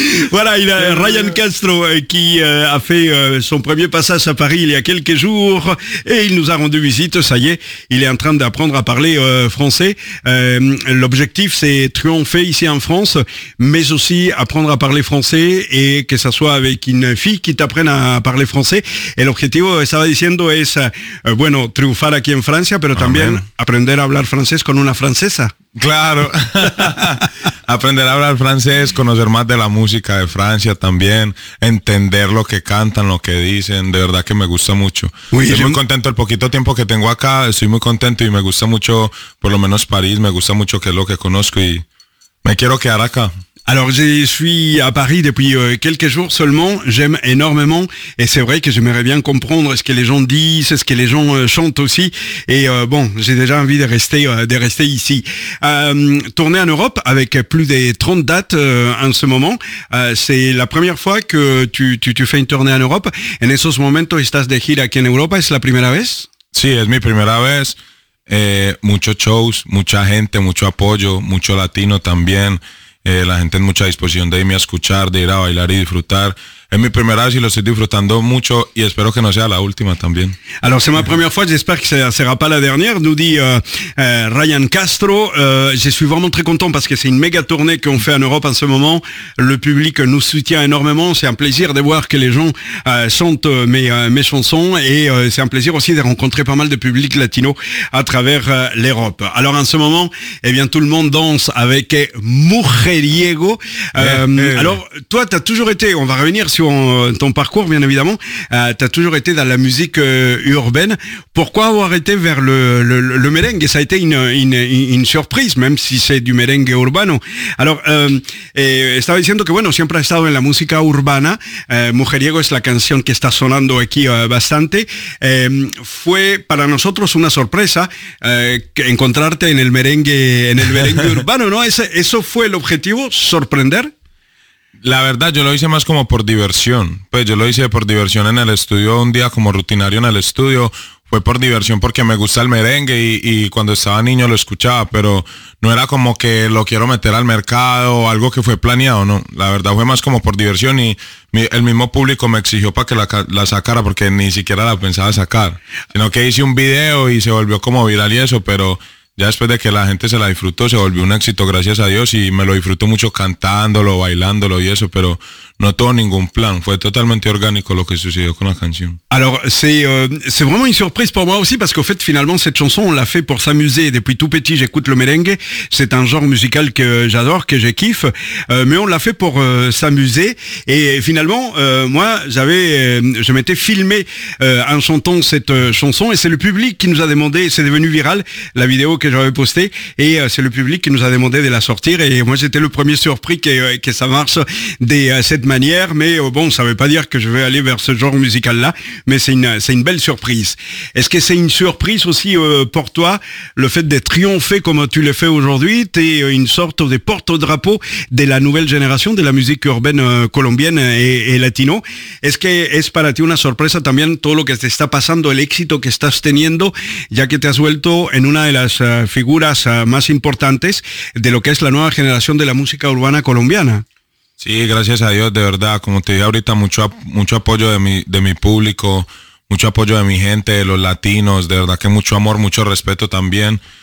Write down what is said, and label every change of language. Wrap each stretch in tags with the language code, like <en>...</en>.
<fr>Voilà, il a Ryan Castro qui a fait son premier passage à Paris il y a quelques jours et il nous a rendu visite. Ça y est, il est en train d'apprendre à parler français. L'objectif, c'est triompher ici en France, mais aussi apprendre à parler français et que ça soit avec une fille qui t'apprenne à parler français. Et l'objectif,</fr> <es>estaba diciendo, es bueno triunfar aquí en Francia, pero también aprender a hablar francés con una francesa. Claro. Aprender a hablar francés, conocer más de la música de Francia también, entender lo que cantan, lo que dicen, de verdad que me gusta mucho. Oui, estoy muy contento el poquito tiempo que tengo acá, estoy muy contento y me gusta mucho, por lo menos París, me gusta mucho que es lo que conozco y me quiero quedar acá.</es> <fr>Alors, je suis à Paris depuis quelques jours seulement. J'aime énormément. Et c'est vrai que j'aimerais bien comprendre ce que les gens disent, ce que les gens chantent aussi. Et bon, j'ai déjà envie de rester ici. Tourner en Europe avec plus de 30 dates en ce moment. C'est la première fois que tu fais une tournée en Europe.</fr> <es>En esos momentos estás de gira aquí en Europa. ¿Es la primera vez? Sí, es mi primera vez. Muchos shows, mucha gente, mucho apoyo, mucho latino también. La gente en mucha disposición de irme a escuchar, de ir a bailar y disfrutar. Es mi primera vez y lo estoy disfrutando mucho y espero que no sea la última también.</es> <fr>Alors, c'est ma première fois, j'espère que ça sera pas la dernière, nous dit Ryan Castro. Je suis vraiment très content parce que c'est une méga tournée qu'on fait en Europe en ce moment. Le public nous soutient énormément, c'est un plaisir de voir que les gens chantent mes chansons et c'est un plaisir aussi de rencontrer pas mal de public latino à travers l'Europe. Alors en ce moment, eh bien tout le monde danse avec Mujeriego. Alors toi tu as toujours été, on va revenir sur ton parcours, bien évidemment, tu as toujours été dans la musique urbaine. Pourquoi avoir été vers le merengue? Ça a été une surprise, même si c'est du merengue urbano.</fr> <es>Alors, estaba diciendo que, bueno, siempre ha estado en la música urbana. Mujeriego es la canción que está sonando aquí bastante. Fue para nosotros una sorpresa encontrarte en el merengue urbano, ¿no? ¿Eso fue el objetivo? ¿Sorprender? La verdad, yo lo hice más como por diversión. Pues yo lo hice por diversión en el estudio, un día como rutinario en el estudio. Fue por diversión porque me gusta el merengue y cuando estaba niño lo escuchaba, pero no era como que lo quiero meter al mercado o algo que fue planeado, no. La verdad, fue más como por diversión y el mismo público me exigió para que la sacara porque ni siquiera la pensaba sacar. Sino que hice un video y se volvió como viral y eso, pero... Ya después de que la gente se la disfrutó, se volvió un éxito, gracias a Dios, y me lo disfruto mucho cantándolo, bailándolo y eso, pero no tuvo ningún plan. Fue totalmente orgánico lo que sucedió con la canción.</es> <fr>Alors, c'est vraiment une surprise pour moi aussi, parce qu'au fait, finalement, cette chanson, on l'a fait pour s'amuser. Depuis tout petit, j'écoute le merengue. C'est un genre musical que j'adore, que je kiffe. Mais on l'a fait pour s'amuser. Et finalement, moi, je m'étais filmé en chantant cette chanson, et c'est le public qui nous a demandé, c'est devenu viral, la vidéo que j'avais posté, et c'est le public qui nous a demandé de la sortir, et moi j'étais le premier surpris que ça marche de cette manière, mais bon, ça veut pas dire que je vais aller vers ce genre musical-là, mais c'est une belle surprise. Est-ce que c'est une surprise aussi pour toi, le fait d'être triomphé comme tu l'as fait aujourd'hui? T'es une sorte de porte-drapeau de la nouvelle génération de la musique urbaine colombienne et latino. Est-ce que</fr> <es>es para ti una sorpresa también todo lo que te está pasando, el éxito que estás teniendo, ya que te has vuelto en una de las figuras más importantes de lo que es la nueva generación de la música urbana colombiana? Sí, gracias a Dios, de verdad, como te dije ahorita, mucho apoyo de mi público, mucho apoyo de mi gente, de los latinos, de verdad que mucho amor, mucho respeto también.</es>